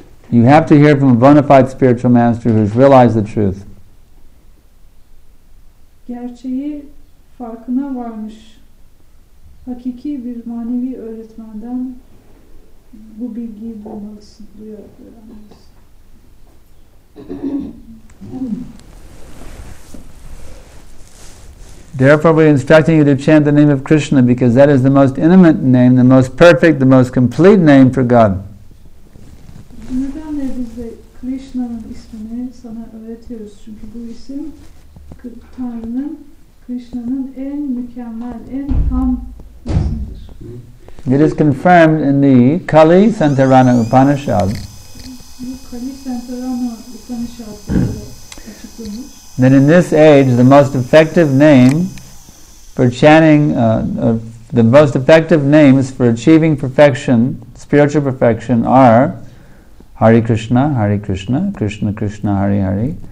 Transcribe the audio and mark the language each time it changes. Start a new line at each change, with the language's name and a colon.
English: You have to hear from a bona fide spiritual master who has realized the truth.
Turkish: Gerçeği farkına varmış hakiki bir manevi öğretmenden bu bilgiyi bulmalısın, duyarak öğrenmelisin.
English: Therefore we're instructing you to chant the name of Krishna because that is the most intimate name, the most perfect, the most complete name for God.
Turkish: Neden de biz de Krishna'nın ismini sana öğretiyoruz? Çünkü bu isim Tanrı'nın, Krishna'nın en mükemmel, en tam isimdir.
English: It is confirmed in the Kali Santarana Upanishad. Kali Santarana Upanishad. Then in this age, the most effective name for chanting, the most effective names for achieving perfection, spiritual perfection, are Hare Krishna, Krishna Krishna, Hare Hare.